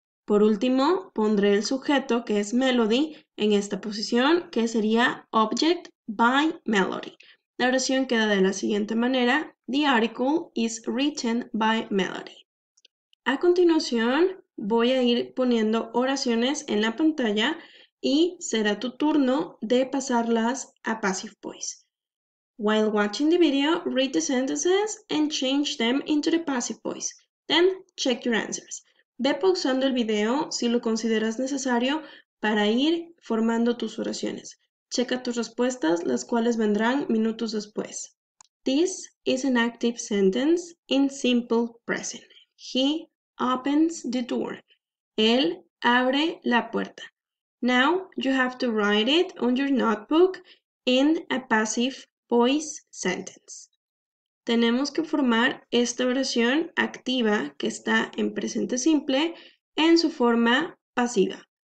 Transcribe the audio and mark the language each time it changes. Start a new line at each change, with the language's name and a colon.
Spanish: Por último, pondré el sujeto, que es Melody, en esta posición, que sería
English: object by Melody.
Spanish: La oración queda de la siguiente manera,
English: the article is written by Melody.
Spanish: A continuación, voy a ir poniendo oraciones en la pantalla y será tu turno de pasarlas a passive voice.
English: While watching the video, read the sentences and change them into the passive voice. Then, check your answers.
Spanish: Ve pausando el video si lo consideras necesario para ir formando tus oraciones. Checa tus respuestas, las cuales vendrán minutos después.
English: This is an active sentence in simple present. He opens the door.
Spanish: Él abre la puerta.
English: Now, you have to write it on your notebook in a passive voice sentence.
Spanish: Tenemos que formar esta oración activa que está en presente simple en su forma pasiva.